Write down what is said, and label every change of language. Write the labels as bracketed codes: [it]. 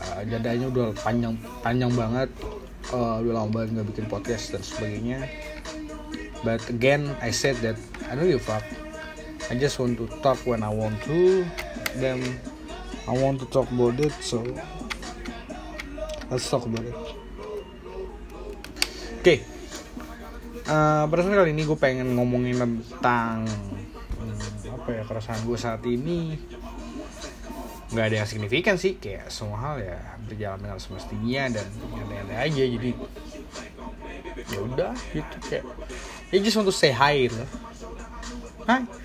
[id] Jadanya udah panjang banget, udah lama banget gak bikin podcast dan sebagainya. [en] But again, I said that I don't give a fuck, I just want to talk when I want to, then I want to talk about it, so let's talk about it. [id] Oke, pada saat kali ini gue pengen ngomongin tentang apa ya, keresahan gue saat ini. Gak ada yang signifikan sih, kayak semua hal ya berjalan dengan semestinya dan nyantai-nyantai aja. Jadi ya udah gitu, kayak [en] I just want to say hi [id] gitu. Hai.